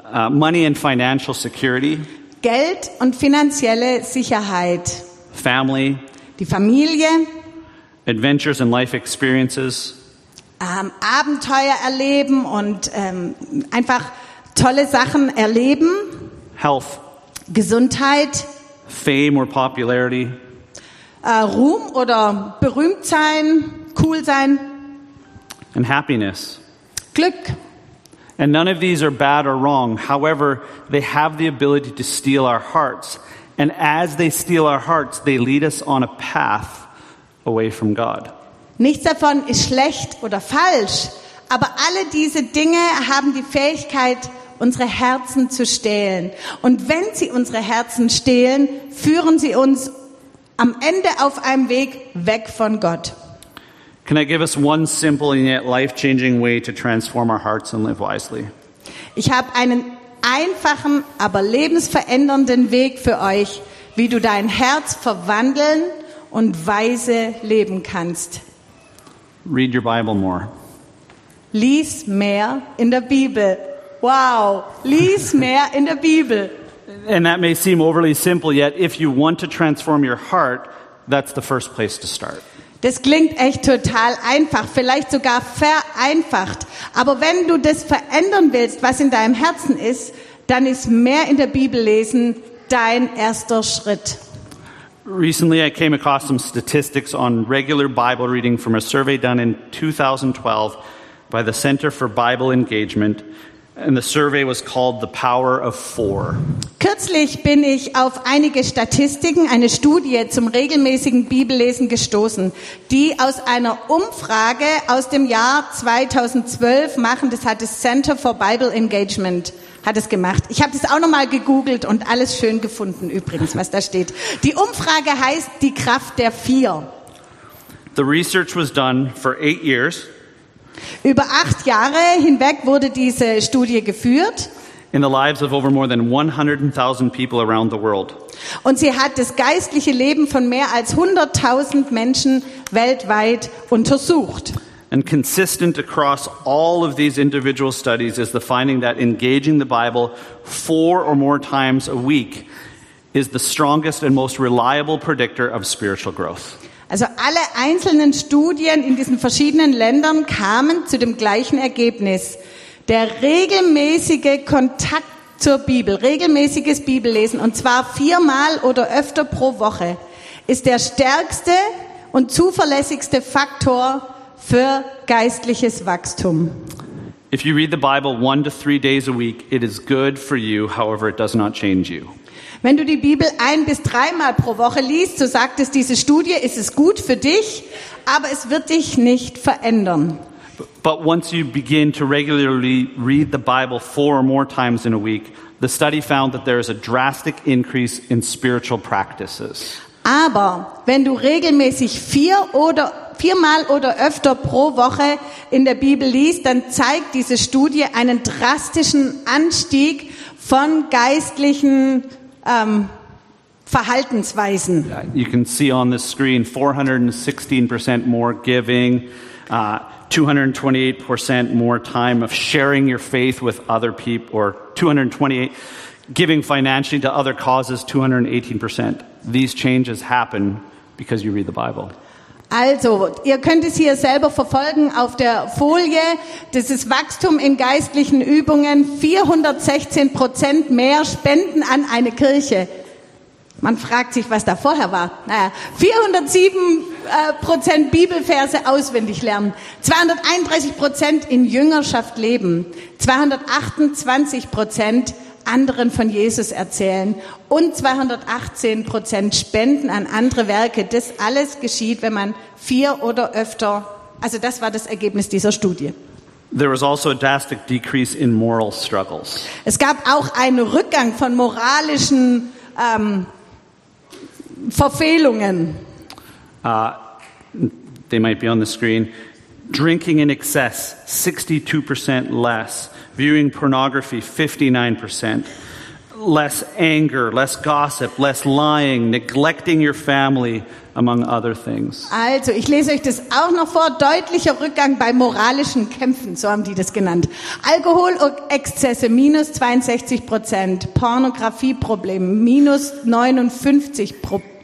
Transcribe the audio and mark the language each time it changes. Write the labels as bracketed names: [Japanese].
[English] Money and financial security. [German] Geld und finanzielle Sicherheit. [English] Family. [German] Die Familie. [English] Adventures and life experiences. [German] Abenteuer erleben und einfach tolle Sachen erleben. [English] Health. [German] Gesundheit. [English] Fame or popularity. [German] Ruhm oder berühmt sein, cool sein. [English] And happiness. [German] Glück. [English] And none of these are bad or wrong. However, they have the ability to steal our hearts. And as they steal our hearts, they lead us on a path away from God. [German] Nichts davon ist schlecht oder falsch, aber alle diese Dinge haben die Fähigkeit, unsere Herzen zu stehlen. Und wenn sie unsere Herzen stehlen, führen sie uns am Ende auf einem Weg weg von Gott. [English] Can I give us one simple and yet life-changing way to transform our hearts and live wisely? [German] Ich habe einen einfachen, aber lebensverändernden Weg für euch, wie du dein Herz verwandeln und weise leben kannst. [English] Read your Bible more. [German] Lies mehr in der Bibel. Wow, lies mehr in der Bibel. [English] And that may seem overly simple, yet if you want to transform your heart, that's the first place to start. [German] Das klingt echt total einfach, vielleicht sogar vereinfacht. Aber wenn du das verändern willst, was in deinem Herzen ist, dann ist mehr in der Bibel lesen dein erster Schritt. [English] Recently I came across some statistics on regular Bible reading from a survey done in 2012 by the Center for Bible Engagement. And the survey was called The Power of Four. [German] Kürzlich bin ich auf einige Statistiken, eine Studie zum regelmäßigen Bibellesen gestoßen, die aus einer Umfrage aus dem Jahr 2012 machen, das hat das [English] Center for Bible Engagement [German] hat es gemacht. Ich habe das auch nochmal gegoogelt und alles schön gefunden übrigens, was da steht. Die Umfrage heißt Die Kraft der Vier. [English] The research was done for 8 years. [German] Über 8 Jahre hinweg wurde diese Studie geführt. [English] In the lives of over more than 100,000 people around the world. [German] Und sie hat das geistliche Leben von mehr als 100.000 Menschen weltweit untersucht. [English] And consistent across all of these individual studies is the finding that engaging the Bible 4 or more times a week is the strongest and most reliable predictor of spiritual growth. [German] Also alle einzelnen Studien in diesen verschiedenen Ländern kamen zu dem gleichen Ergebnis. Der regelmäßige Kontakt zur Bibel, regelmäßiges Bibellesen, und zwar 4-mal oder öfter pro Woche, ist der stärkste und zuverlässigste Faktor für geistliches Wachstum. [English] If you read the Bible 1 to 3 days a week, it is good for you, however it does not change you. [German] Wenn du die Bibel 1 bis 3 Mal pro Woche liest, so sagt es diese Studie, ist es gut für dich, aber es wird dich nicht verändern. [English] But once you begin to regularly read the Bible 4 or more times in a week, the study found that there is a drastic increase in spiritual practices. [German] Aber wenn du regelmäßig 4 oder 4 Mal oder öfter pro Woche in der Bibel liest, dann zeigt diese Studie einen drastischen Anstieg von geistlichen Verhaltensweisen. [English] You can see on the screen 416% more giving, 228% more time of sharing your faith with other people, or 228% giving financially to other causes, 218%. These changes happen because you read the Bible. [German] Also, ihr könnt es hier selber verfolgen auf der Folie. Das ist Wachstum in geistlichen Übungen. 416% mehr Spenden an eine Kirche. Man fragt sich, was da vorher war. Naja, 407% Bibelverse auswendig lernen. 231% in Jüngerschaft leben. 228% anderen von Jesus erzählen und 218% Spenden an andere Werke. Das alles geschieht, wenn man 4 oder öfter Also das war das Ergebnis dieser Studie. [English] There was also a drastic decrease in moral struggles. [German] Es gab auch einen Rückgang von moralischen Verfehlungen. [English] They might be on the screen. Drinking in excess, 62% less. Viewing pornography, 59%. Less anger, less gossip, less lying, neglecting your family, among other things. [German] Also, ich lese euch das auch noch vor. Deutlicher Rückgang bei moralischen Kämpfen, so haben die das genannt. Alkoholexzesse, minus 62%. Pornografieprobleme, minus 59%.